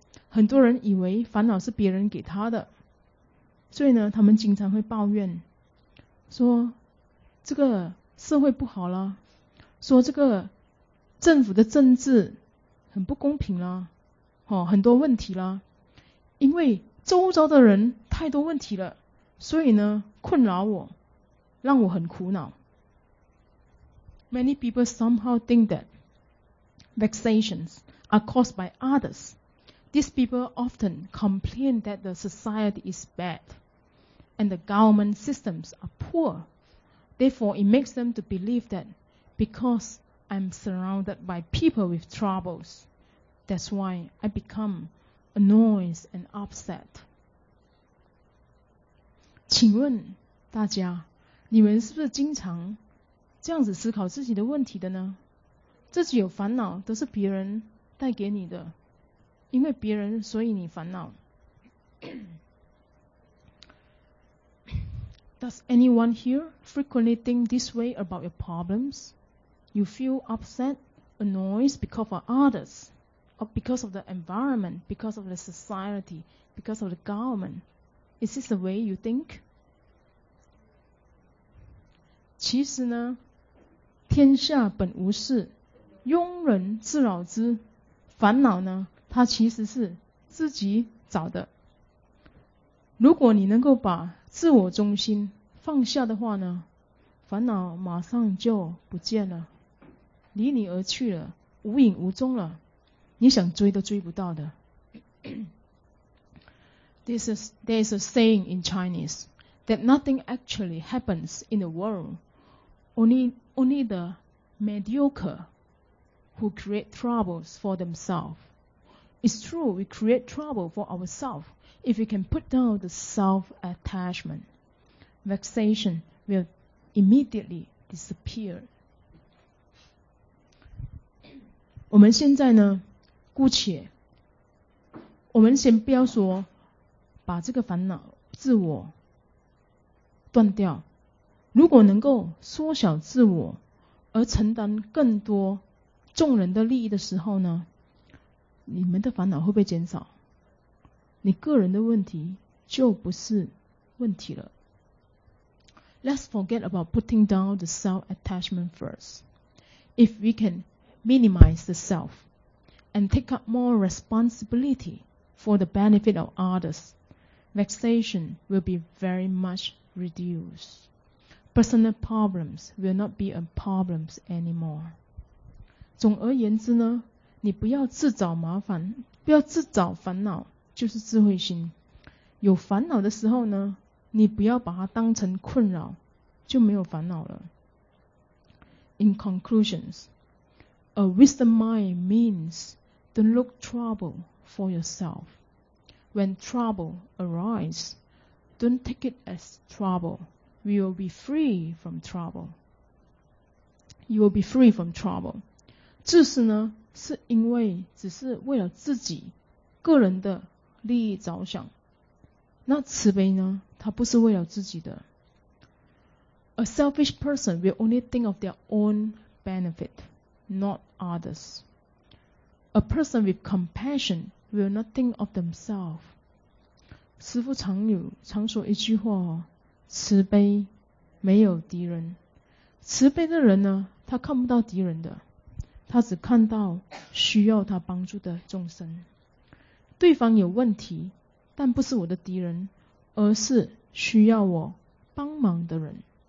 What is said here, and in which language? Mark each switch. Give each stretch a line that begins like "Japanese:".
Chinese: 很多人以为烦恼是别人给他的，所以呢，他们经常会抱怨，说这个社会不好啦，说这个政府的政治很不公平啦，哦，很多问题啦，因为周遭的人太多问题了。所以呢，困扰我，让我很苦恼。
English: Many people somehow think that vexations are caused by others. These people often complain that the society is bad and the government systems are poor. Therefore, it makes them to believe that because I'm surrounded by people with troubles, that's why I become annoyed and upset.
Chinese: 请问大家，你们是不是经常这样子思考自己的问题的呢？自己有烦恼都是别人带给你的，因为别人所以你烦恼。
English: Does anyone here frequently think this way about your problems? You feel upset, annoyed because of others, or because of the environment, because of the society, because of the government. Is this the way you think?
Chinese: 其实呢，天下本无事，庸人自扰之。烦恼呢，它其实是自己找的。如果你能够把自我中心放下的话呢，烦恼马上就不见了，离你而去了，无影无踪了，你想追都追不到的。
English: There is a saying in Chinese that nothing actually happens in the world. Only the mediocre who create troubles for themselves. It's true, we create trouble for ourselves if we can put down the self-attachment. Vexation will immediately disappear.
Chinese: 我们现在呢，姑且，我们先不要说把这个烦恼自我断掉。如果能够缩小自我，而承担更多众人的利益的时候呢，你们的烦恼会不会减少？你个人的问题就不是问题了。
English: Let's forget about putting down the self-attachment first. If we can minimize the self and take up more responsibility for the benefit of others, vexation will be very much reduced. Personal problems will not be a problem anymore.
Chinese: 总而言之呢，你不要自找麻烦，不要自找烦恼，就是智慧心。有烦恼的时候呢，你不要把它当成困扰，就没有烦恼了。
English: In conclusions, a wisdom mind means don't look trouble for yourself. When trouble arises, don't take it as trouble. We will be free from trouble. You will be free from trouble.
Chinese: 自私呢，是因为只是为了自己个人的利益着想。那慈悲呢，它不是为了自己的。
English: A selfish person will only think of their own benefit, not others. A person with compassion will not think of themselves.
Chinese: 师父常说一句话，慈悲没有敌人。慈悲的人呢，他看不到敌人的，他只看到需要他帮助的众生。对方有问题，但不是我的敌人，而是需要我帮忙的人。